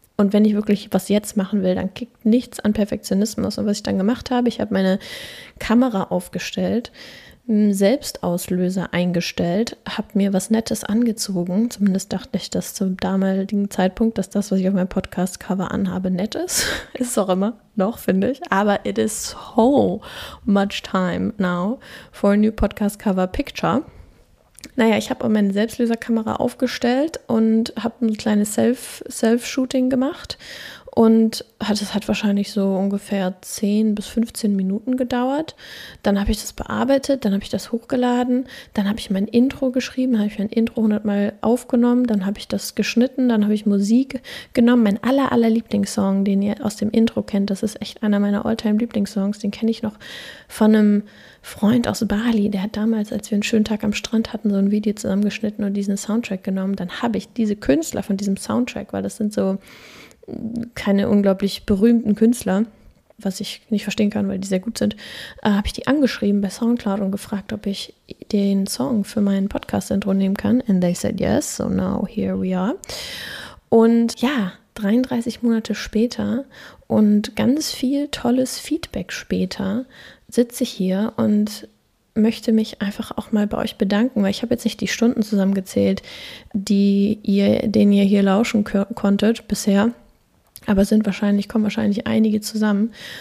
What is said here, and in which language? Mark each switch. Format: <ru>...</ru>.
<de>Und wenn ich wirklich was jetzt machen will, dann kickt nichts an Perfektionismus. Und was ich dann gemacht habe, ich habe meine Kamera aufgestellt, einen Selbstauslöser eingestellt, habe mir was Nettes angezogen. Zumindest dachte ich das zum damaligen Zeitpunkt, dass das, was ich auf meinem Podcast-Cover anhabe, nett ist. Ist auch immer noch, finde ich. Aber</de> <en>it is so much time now for a new Podcast-Cover-Picture.</en> <de>Naja, ich habe meine Selbstlöserkamera aufgestellt und habe ein kleines Self-Shooting gemacht und das hat wahrscheinlich so ungefähr 10 bis 15 Minuten gedauert. Dann habe ich das bearbeitet, dann habe ich das hochgeladen, dann habe ich mein Intro geschrieben, habe ich mein Intro 100-mal aufgenommen, dann habe ich das geschnitten, dann habe ich Musik genommen. Mein aller Lieblingssong, den ihr aus dem Intro kennt, das ist echt einer meiner All-Time-Lieblingssongs, den kenne ich noch von einem Freund aus Bali, der hat damals, als wir einen schönen Tag am Strand hatten, so ein Video zusammengeschnitten und diesen Soundtrack genommen. Dann habe ich diese Künstler von diesem Soundtrack, weil das sind so keine unglaublich berühmten Künstler, was ich nicht verstehen kann, weil die sehr gut sind, habe ich die angeschrieben bei SoundCloud und gefragt, ob ich den Song für meinen Podcast-Intro nehmen kann.</de> <en>And they said yes, so now here we are.</en> <de>Und ja, 33 Monate später und ganz viel tolles Feedback später sitze ich hier und möchte mich einfach auch mal bei euch bedanken, weil ich habe jetzt nicht die Stunden zusammengezählt, den ihr hier lauschen konntet bisher, aber kommen wahrscheinlich einige zusammen.</de>